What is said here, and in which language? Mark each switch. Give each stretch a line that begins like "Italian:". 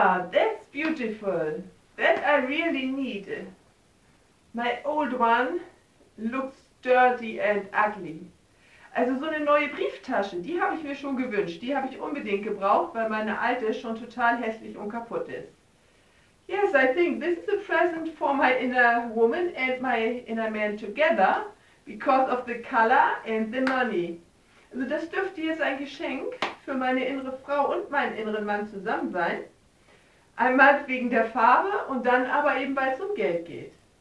English: That's beautiful. That I really need. My old one looks dirty and ugly.
German: Also so eine neue Brieftasche, die habe ich mir schon gewünscht. Die habe ich unbedingt gebraucht, weil meine alte schon total hässlich und kaputt ist.
English: Yes, I think this is a present for my inner woman and my inner man together because of the color and the money.
German: Also das dürfte jetzt ein Geschenk für meine innere Frau und meinen inneren Mann zusammen sein. Einmal wegen der Farbe und dann aber eben, weil es um Geld geht.